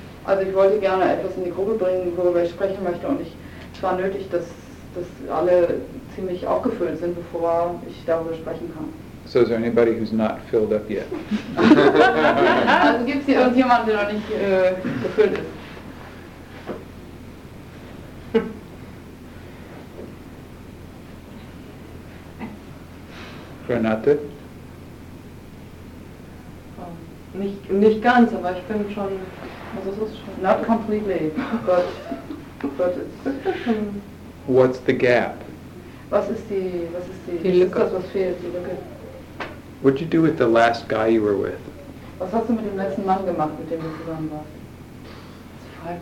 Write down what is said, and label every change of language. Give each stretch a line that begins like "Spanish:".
German: Also ich wollte gerne etwas in die Gruppe bringen, worüber ich sprechen möchte, und es war nötig, dass alle ziemlich aufgefüllt sind, bevor ich darüber sprechen kann.
English: So is there anybody who's not filled up yet?
German: Also gibt es hier irgendjemanden, der noch nicht gefüllt ist? Renate? Nicht ganz, aber ich bin schon, also es ist schon...
English: Not completely, but it's... What's the gap?
German: Was ist die Lücke? Ist das, was fehlt, die Lücke?
English: What did you do with the last guy you were with?
German: Was hast du mit dem letzten Mann gemacht, mit dem du zusammen warst?